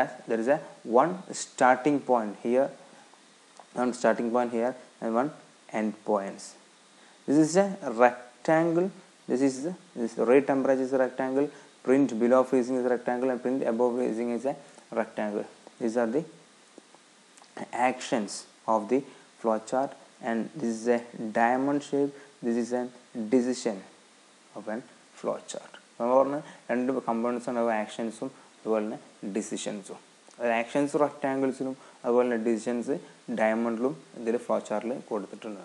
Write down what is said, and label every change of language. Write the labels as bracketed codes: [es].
[en] There is a one starting point here, one starting point here and one end points. This is a rectangle, this is read temperature is rectangle, print below freezing is rectangle and print above freezing is a rectangle. These are the actions of the flowchart, and this is a diamond shape. This is a decision of a flowchart. Remember, [ml] രണ്ട് components ആണ്, actionsum അതുപോലെ തന്നെ decisionsum. Actions rectangles ഉം അതുപോലെ തന്നെ decisions diamondലും ഇതിൽ flowchartൽ കൊടുത്തിട്ടുണ്ട്.